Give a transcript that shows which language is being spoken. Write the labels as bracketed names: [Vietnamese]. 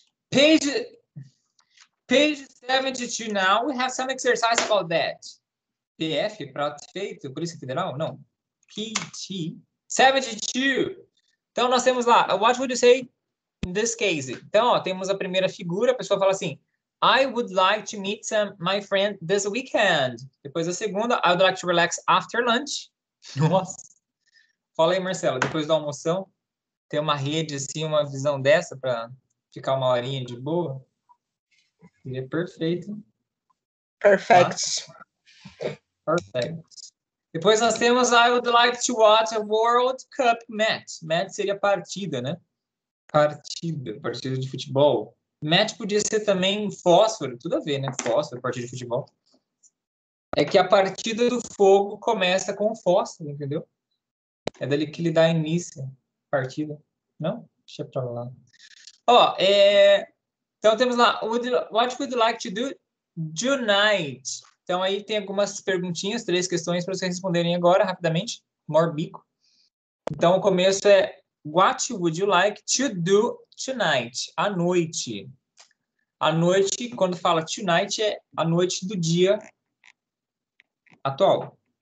[English] Page 72 now. We have some exercise about that. PF, [Portuguese] prato feito, Polícia Federal? Não. [English] PT. 72. [Portuguese] Então, nós temos lá. [English] What would you say in this case? [Portuguese] Então, ó, temos a primeira figura. A pessoa fala assim. [English] I would like to meet my friend this weekend. [Portuguese] Depois a segunda, [English] I would like to relax after lunch. [Portuguese] Nossa. Fala aí, Marcelo, depois da almoção, tem uma rede assim, uma visão dessa para ficar uma horinha de boa? Seria perfeito. [English] Perfect. Perfect. [Portuguese] Depois nós temos, [English] I would like to watch a World Cup match. [Portuguese] Match seria partida, né? Partida de futebol. Match podia ser também fósforo, tudo a ver, né? Fósforo, partida de futebol. É que a partida do fogo começa com o fósforo, entendeu? É dali que ele dá início à partida. Não? Deixa eu falar lá. Então temos lá, [English] what would you like to do tonight? [Portuguese] Então aí tem algumas perguntinhas, três questões para vocês responderem agora, rapidamente. More bico. Então o começo é, [English] what would you like to do tonight, [Portuguese] à noite. À noite, quando fala tonight, é a noite do dia atual.